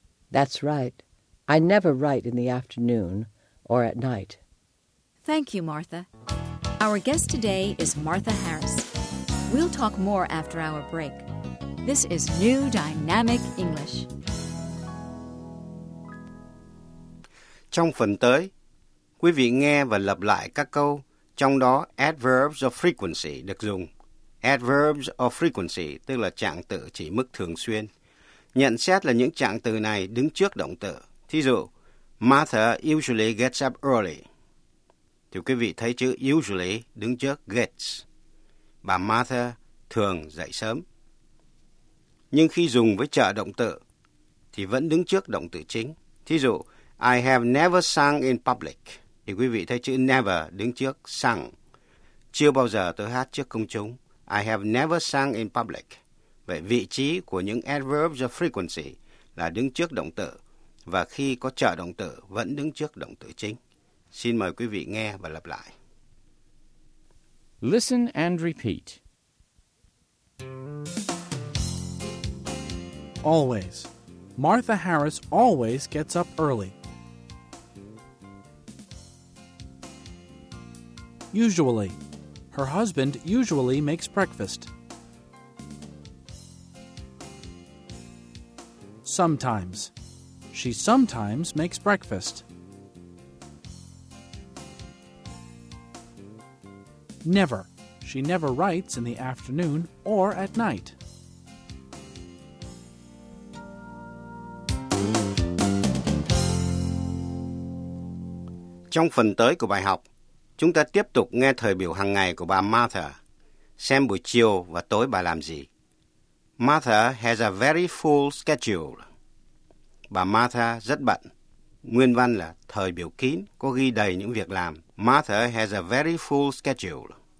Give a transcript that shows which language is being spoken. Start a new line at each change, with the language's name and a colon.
English: That's right. I never write in the afternoon or at night. Thank you, Martha. Our guest today is Martha Harris. We'll talk more after our break. This is New Dynamic English.
Vietnamese: Trong phần tới, quý vị nghe và lặp lại các câu trong đó adverbs of frequency được dùng. Adverbs of frequency tức là trạng tự chỉ mức thường xuyên. Nhận xét là những trạng từ này đứng trước động từ. Thí dụ,
English: Martha usually gets up early.
Vietnamese: Thì quý vị thấy chữ usually đứng trước gets. Bà Martha thường dậy sớm. Nhưng khi dùng với trợ động từ thì vẫn đứng trước động từ chính. Thí dụ,
English: I have never sung in public.
Vietnamese: Thì quý vị thấy chữ never đứng trước sung. Chưa bao giờ tôi hát trước công chúng.
English: I have never sung in public.
Vietnamese: Vậy vị trí của những adverbs of frequency là đứng trước động từ và khi có trợ động từ vẫn đứng trước động từ chính. Xin mời quý vị nghe và lặp lại.
English: Listen and repeat. Always. Martha Harris always gets up early. Usually. Her husband usually makes breakfast. Sometimes. She sometimes makes breakfast. Never. She never writes in the afternoon or at night.
Vietnamese: Trong phần tới của bài học, chúng ta tiếp tục nghe thời biểu hàng ngày của bà Martha, xem buổi chiều và tối bà làm gì.
English: Martha has a very full schedule.
Vietnamese: Bà Martha rất bận. Nguyên văn là thời biểu kín, có ghi đầy những việc làm.
English: Martha has a very full schedule.